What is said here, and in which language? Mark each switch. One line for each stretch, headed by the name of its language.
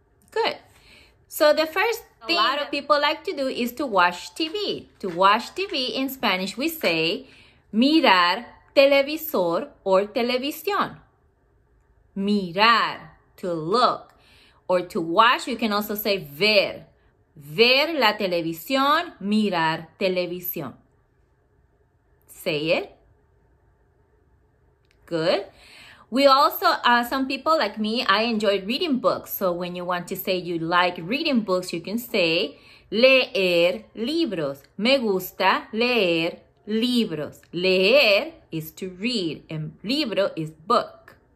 English: Good. So the first thing a lot of people like to do is to watch TV. To watch TV in Spanish we say
Spanish: mirar televisor
English: or televisión. Mirar. To look or to watch, you can also say ver.
Spanish: Ver la televisión, mirar televisión.
English: Say it. Good. We also, some people like me, I enjoy reading books. So when you want to say you like reading books, you can say
Spanish: leer libros. Me gusta leer libros.
English: Leer is to read and libro is book.